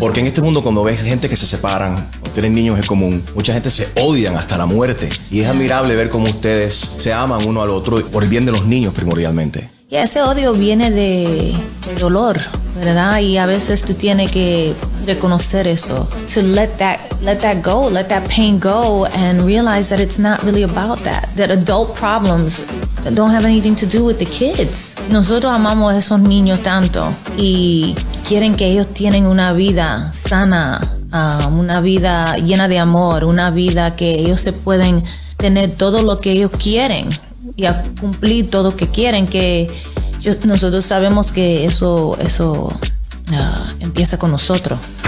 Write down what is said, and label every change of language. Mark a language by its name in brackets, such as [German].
[Spanish] Porque en este mundo cuando ves gente que se separan, o tienen niños es común, mucha gente se odian hasta la muerte. Y es admirable ver cómo ustedes se aman uno al otro por el bien de los niños primordialmente. Y ese odio viene de dolor, ¿verdad? Y a veces tú tienes que reconocer eso. [English] To let that go, let that pain go and realize that it's not really about that. That adult problems don't have anything to do with the kids. [Spanish] Nosotros amamos a esos niños tanto y quieren que ellos tienen una vida sana, una vida llena de amor, una vida que ellos se pueden tener todo lo que ellos quieren. Y a cumplir todo lo que quieren, que nosotros sabemos que eso empieza con nosotros.